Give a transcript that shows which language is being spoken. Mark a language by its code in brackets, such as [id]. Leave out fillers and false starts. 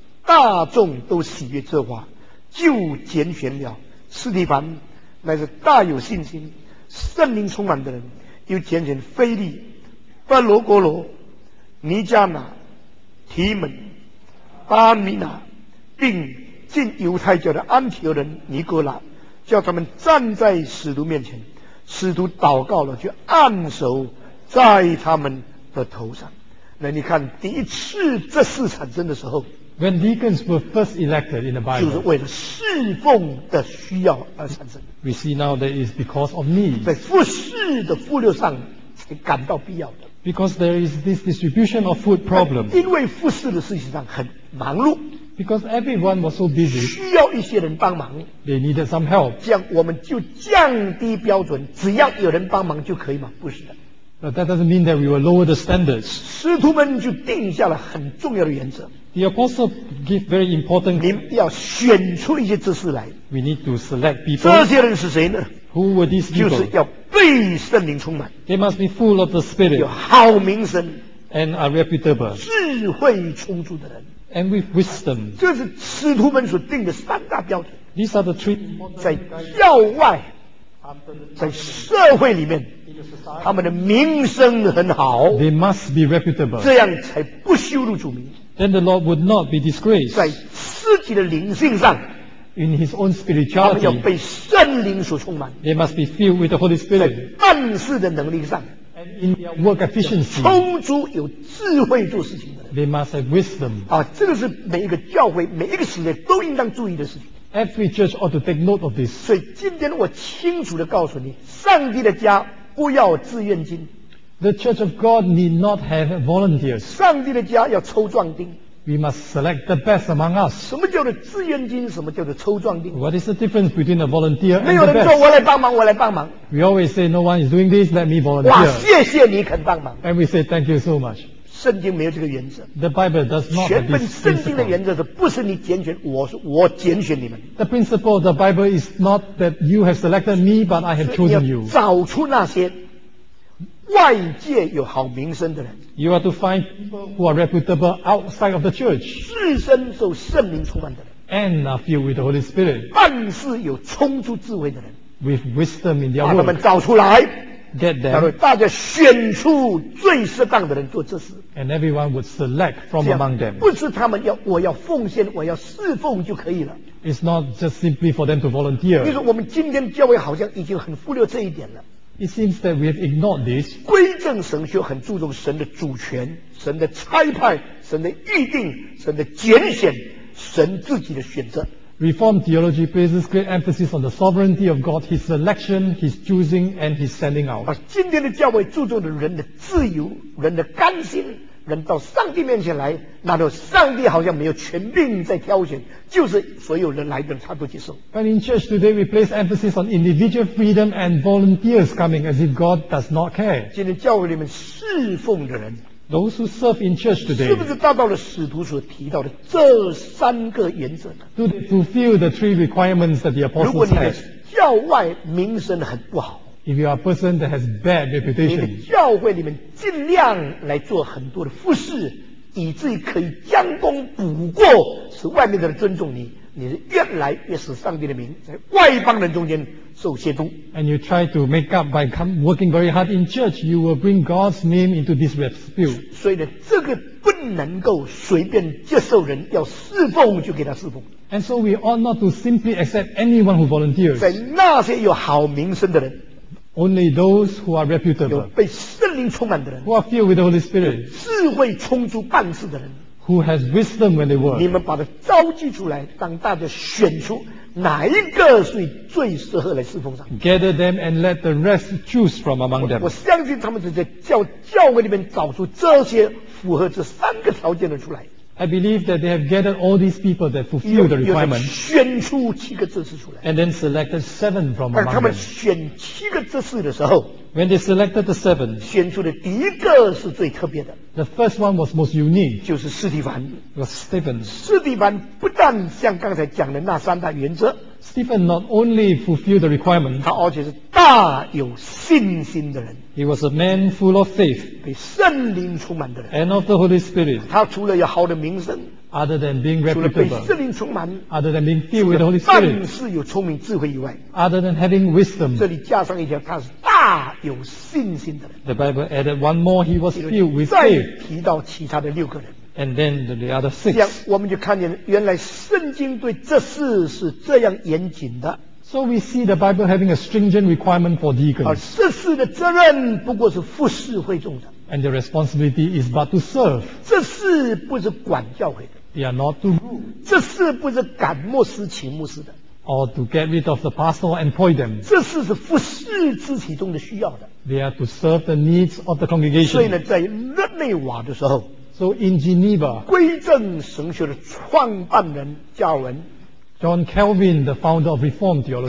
[zh] 大众都喜悦这话，就拣选了斯提凡，乃是大有信心、圣灵充满的人，又拣选腓力、巴罗国罗、尼加拿、提门、巴米拿，并进犹太教的安提俄人尼哥拉，叫他们站在使徒面前。使徒祷告了，就按手在他们的头上。那你看，第一次这事产生的时候 [en] ，When deacons were first elected in the Bible， [zh] 就是为了侍奉的需要而产生。 [en] We see now that is because of need， [zh] 在服侍的忽略上才感到必要的。 [en] Because there is this distribution of food problem， [zh] 因为服侍的事情上很忙碌。 [en] Because everyone was so busy, [zh] 需要一些人帮忙。 [en] They needed some help. [zh] 这样我们就降低标准，只要有人帮忙就可以吗？不是的。 [en] But that doesn't mean that we will lower the standards. [zh] 使徒们就定下了很重要的原则。 [en] The apostles give very important. [zh] 你们要选出一些知识来。 [en] We need to select people. [zh] 这些人是谁呢？ [en] Who were these people? [zh] 就是要被圣灵充满。 [en] They must be full of the Spirit. [zh] 有好名声。 [en] And are reputable. [zh] 智慧充足的人。 [en] And with wisdom. [zh] 这是使徒们所定的三大标准。 [en] These are the three. [zh] 在教外，在社会里面，他们的名声很好。 [en] They must be reputable. [zh] 这样才不羞辱主名。 [en] Then the Lord would not be disgraced. [zh] 在自己的灵性上 [en] ，in his own spirituality. [zh] 他们要被圣灵所充满。 [en] They must be filled with the Holy Spirit. [zh] 在办事的能力上。 [en] In work efficiency, [zh] 充足有智慧做事情的人 [en] ，they must have wisdom. [zh] 啊，这个是每一个教会、每一个时代都应当注意的事情。 [en] Every church ought to take note of this. [zh] 所以今天我清楚地告诉你，上帝的家不要自愿金。 [en] The church of God need not have volunteers. [zh] 上帝的家要抽壮丁。 [en] We must select the best among us. [zh] 什么叫做自愿金？什么叫做抽壮丁 [en] ？What is the difference between a volunteer and the best? [zh] 没有人说我来帮忙，我来帮忙。 [en] We always say no one is doing this. Let me volunteer. [zh] 哇，谢谢你肯帮忙。 [en] And we say thank you so much. [zh] 圣经没有这个原则。 [en] The Bible does not have this principle. [zh] 全本圣经的原则是不是你拣选我，是我拣选你们。 [en] The principle of the Bible is not that you have selected me, but I have chosen you. [zh] 找出那些外界有好名声的人。 [en] You are to find people who are reputable outside of the church. [zh] 自身受圣灵充满的人。 [en] and are filled with the Holy Spirit. [zh] 凡事有充足智慧的人 [en] with wisdom in their work, [zh] 把他们找出来 [en] get them, [zh] 大家选出最适当的人做这事 [en] and everyone would select from among them. [zh] 不是他们要我要奉献我要侍奉就可以了 [en] It's not just simply for them to volunteer. [zh] 就是我们今天教会好像已经很忽略这一点了。 [en] It seems that we have ignored this. [zh] 归正神学很注重神的主权、神的差派、神的预定、神的拣选、神自己的选择。 [en] Reformed theology places great emphasis on the sovereignty of God, His selection, His choosing, and His sending out. [zh] 而今天的教会注重的人的自由、人的甘心。人到上帝面前来，那都上帝好像没有权柄在挑选，就是所有人来的他都接受。 [en] But in church today, we place emphasis on individual freedom and volunteers coming as if God does not care. [zh] 今天教会里面侍奉的人 [en] ，those who serve in church today， [zh] 是不是达到了使徒所提到的这三个原则呢 [en] ？Do they fulfill the three requirements that the apostles had？ [zh] 如果你的教外名声很不好。 [en] If you are a person that has bad reputation, [zh] 你的教会里面尽量来做很多的服事，以至于可以将功补过，使外面的人尊重你，你是越来越使上帝的名在外邦人中间受亵渎。 [en] And you try to make up by working very hard in church, you will bring God's name into this dispute. [zh] 所以呢，这个不能够随便接受人，要侍奉就给他侍奉。 [en] And so we ought not to simply accept anyone who volunteers. [zh] 在那些有好名声的人。 [en] Only those who are reputable, [zh] 有被圣灵充满的人 [en] who are filled with the Holy Spirit, [zh] 有智慧充足办事的人 [en] who has wisdom when they work, [zh] 你们把它召集出来，让大家选出哪一个是最适合来侍奉上。 [en] Gather them and let the rest choose from among them. [zh] 我相信他们在教会里面找出这些符合这三个条件的出来。 [en] I believe that they have gathered all these people that fulfill the requirement. [zh] 选出七个执事出来 [en] And then selected seven from among them. [zh] 而他们选七个执事的时候 [en] When they selected the seven, [zh] 选出的第一个是最特别的 [en] The first one was most unique. [zh] 就是斯蒂凡 [en] Was Stephen. [zh] 斯蒂凡不但像刚才讲的那三大原则 [en] Stephen not only fulfilled the requirement. [zh] 他而且是大有信心的人 [en] He was a man full of faith [zh] 被圣灵充满的人 [en] And of the Holy Spirit [zh] 他除了有好的名声 [en] Other than being reputable [zh] 除了被圣灵充满 [en] Other than being filled with the Holy Spirit [zh] 办事有聪明智慧以外 [en] Other than having wisdom [zh] 这里加上一条他是大有信心的人 [en] The Bible added one more He was filled with faith [zh] 再提到其他的六个人 [en] And then the other six [zh] 这样我们就看见原来圣经对这事是这样严谨的 [en] So we see the Bible having a stringent requirement for deacons. [zh] 而执事的责任不过是服侍会众的。 [en] And the responsibility is but to serve. [zh] 执事不是管教会的。 [en] They are not to rule. [zh] 执事不是赶牧师请牧师的。 [en] Or to get rid of the pastor and appoint them. [zh] 执事是服侍肢体中的需要的。 [en] They are to serve the needs of the congregation. [zh] 所以呢，在日内瓦的时候 [en] ，So in Geneva, [zh] 归正神学的创办人加尔文。 [en] John Calvin, the founder of Reformed theology,